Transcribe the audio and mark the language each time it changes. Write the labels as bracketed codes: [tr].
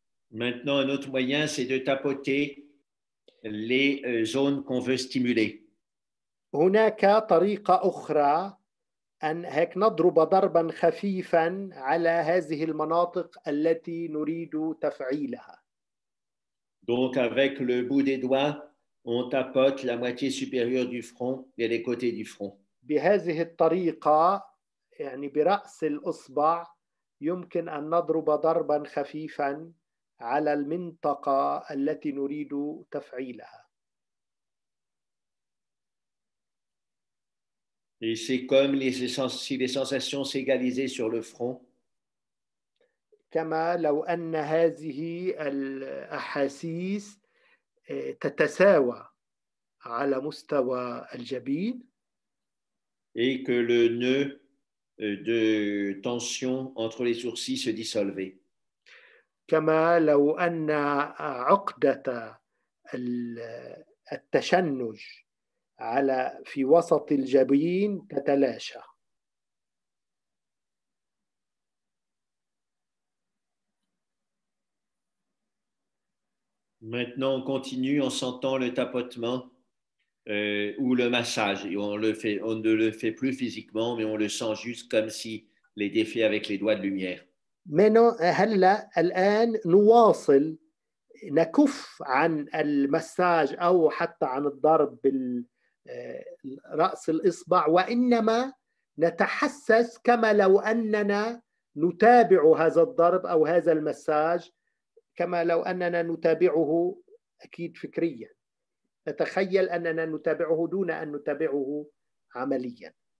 [fr] Maintenant, un autre moyen, c'est de tapoter les zones qu'on veut stimuler. [ar] هناك طريقة أخرى أن هيك نضرب ضربا خفيفا على هذه المناطق التي نريد تفعيلها. [fr] Donc, avec le bout des doigts, on tapote la moitié supérieure du front et les côtés du front. [ar] بهذه الطريقة يعني برأس الأصبع يمكن أن نضرب ضربا خفيفا على المنطقة التي نريد تفعيلها. [fr] Et c'est comme si les sensations s'égalisaient sur le front. [ar] كما لو أن هذه الأحاسيس تتساوى على مستوى الجبين. [fr] Et que le nœud de tension entre les sourcils se dissolvait. [ar] كما لو أن عقدة التشنج على في وسط الجبين تتلاشى. [fr] Maintenant, on continue en sentant le tapotement ou le massage. On ne le fait plus physiquement, mais on le sent juste comme si les défait avec les doigts de lumière. [ar] هلا الآن نواصل نكف عن المساج أو حتى عن الضرب بالرأس الإصبع وإنما نتحسس كما لو أننا نتابع هذا الضرب أو هذا المساج كما لو أننا نتابعه أكيد فكريا نتخيل أننا نتابعه دون أن نتابعه عمليا.